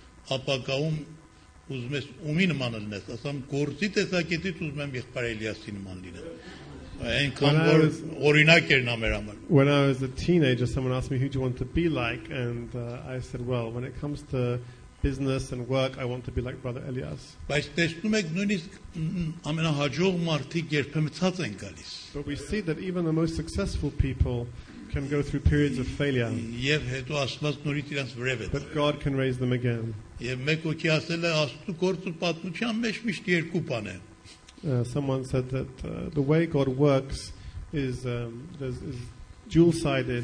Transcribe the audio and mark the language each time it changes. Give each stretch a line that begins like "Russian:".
Armenian: Ապակայում ուզում ես ումի նման լինես, ասամ գործի տեսակետից ուզում եմ եղբայր Էլիասի նման լինել։ Այնքան որ օրինակ էր նա մեր համար։
English: When I was a teenager, someone asked me who do you want to be like, and I said, well, when it comes to business and work, I want to be like Brother Elias.
Armenian: Բայց տեսնում եք նույնիսկ ամենահաջող մարդիկ երբեմն ցած են գալիս։
English: But we see that even the most successful people can go through periods of failure. But God can raise them again. Someone said that the way God works is dual-sided.